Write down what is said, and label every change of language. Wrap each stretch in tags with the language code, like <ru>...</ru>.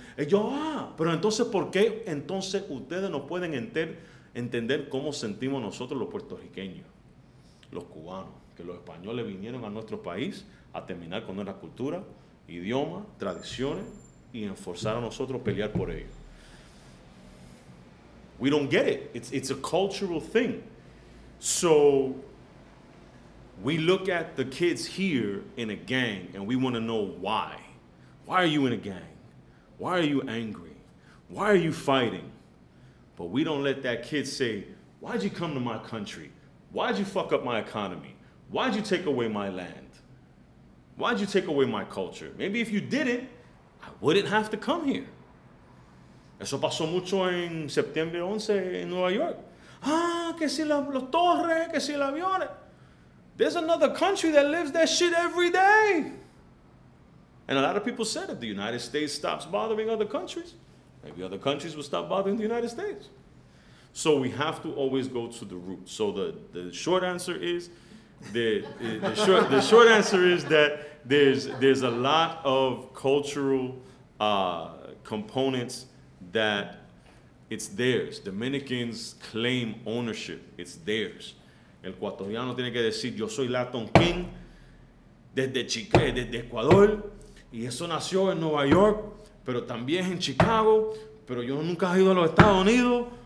<es>Y yo, pero entonces, ¿por qué entonces ustedes no pueden entender cómo sentimos nosotros los puertorriqueños? Los cubanos, que los españoles vinieron a nuestro país a terminar con nuestra cultura, idioma, tradiciones y enforzar a nosotros a pelear por ellos.</es> <en>We don't get it. It's a cultural thing. So we look at the kids here in a gang and we want to know why. Why are you in a gang? Why are you angry? Why are you fighting? But we don't let that kid say, why'd you come to my country? Why'd you fuck up my economy? Why'd you take away my land? Why'd you take away my culture? Maybe if you didn't, I wouldn't have to come here.</en> <es>Eso pasó mucho en septiembre 11 en Nueva York. Ah, que si los torres, que si el avión.</es> <en>There's another country that lives that shit every day. And a lot of people said if the United States stops bothering other countries, maybe other countries will stop bothering the United States. So we have to always go to the root. So the short answer is, the short answer is that there's a lot of cultural components that it's theirs. Dominicans claim ownership. It's theirs.</en> <es>El ecuatoriano tiene que decir yo soy Latin King desde Chile, desde Ecuador, y eso nació en Nueva York, pero también en Chicago. Pero yo nunca he ido a los Estados Unidos.</es>